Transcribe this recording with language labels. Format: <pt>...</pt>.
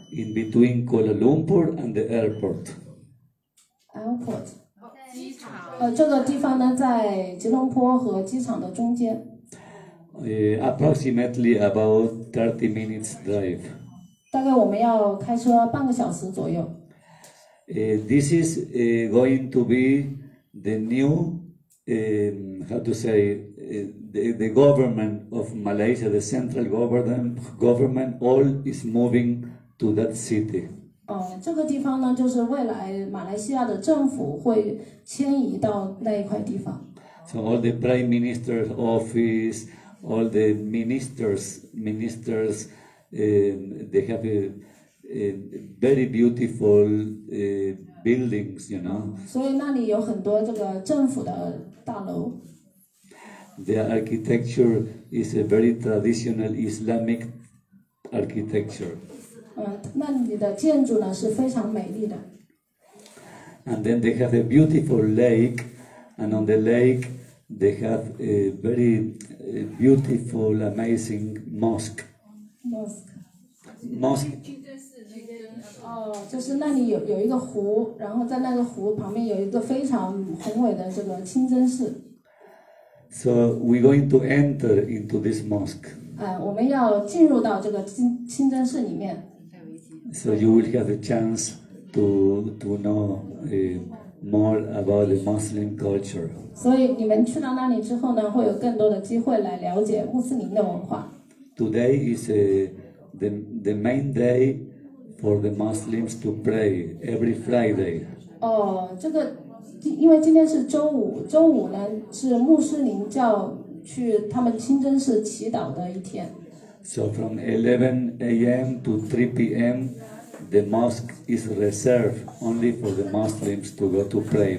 <en>In between Kuala Lumpur and the airport. Airport，</en> <zh>机场。这个地方呢，在吉隆坡和机场的中间。</zh> <en>Approximately about 30 minutes drive。</en> <zh>大概我们要开车半个小时左右。</zh> <en>This is going to be the new, how to say, the government of Malaysia, the central government, all is moving to that city.</en> <zh>这个地方呢，就是未来马来西亚的政府会迁移到那一块地方。</zh> <en>So all the prime minister's office, all the ministers, they have a very beautiful buildings, you know.</en> <zh>所以那里有很多这个政府的大楼。</zh> <en>The architecture is a very traditional Islamic architecture.</en> <zh>那里的建筑呢是非常美丽的。</zh> <en>And then they have a beautiful lake, and on the lake they have a very beautiful, amazing mosque. Mosque.</en> <zh>就是那里 有一个湖，然后在那个湖旁边有一个非常宏伟的这个清真寺。</zh> <en>So we're going to enter into this mosque.</en> <zh>我们要进入到这个清真寺里面。</zh> <en>So you will have a chance to know more about the Muslim culture.</en> <zh>所以你们去到那里之后呢，会有更多的机会来了解穆斯林的文化。</zh> <en>Today is the main day for the Muslims to pray every Friday.</en> <zh>这个因为今天是周五，周五呢是穆斯林教去他们清真寺祈祷的一天。</zh> <en>So from 11 a.m. to 3 p.m., the mosque is reserved only for the Muslims to go to pray.</en>